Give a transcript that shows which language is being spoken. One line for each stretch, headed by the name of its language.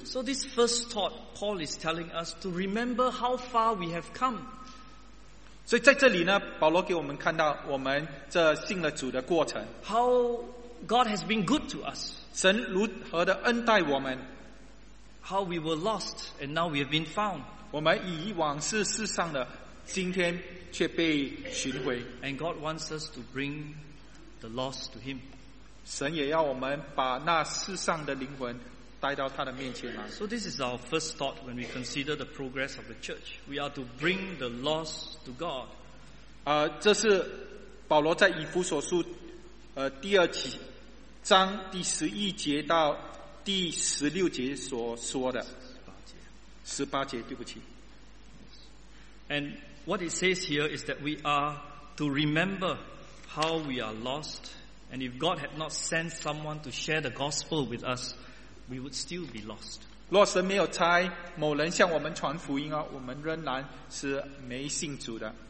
English: So this first thought, Paul is telling us to remember how far we have come.
Chinese: 所以在这里呢，保罗给我们看到我们这信了主的过程。
English: How God has been good to us.
Chinese: 神如何的恩待我们，
English: How we were lost and now we have been found.
Chinese: 我们以往是世上的， 今天却被寻回。
English: And God wants us to bring the lost to him.
Chinese: 神也要我们把那世上的灵魂带到他的面前来。
English: So this is our first thought when we consider the progress of the church. We are to bring the lost to God.
Chinese: 这是保罗在以弗所书第二章第十一节到第十六节所说的十八节，对不起。
English: And what it says here is that we are to remember how we are lost, and if God had not sent someone to share the gospel with us, we would still be lost.
Chinese: 若神没有差某人向我们传福音啊，我们仍然是没信主的。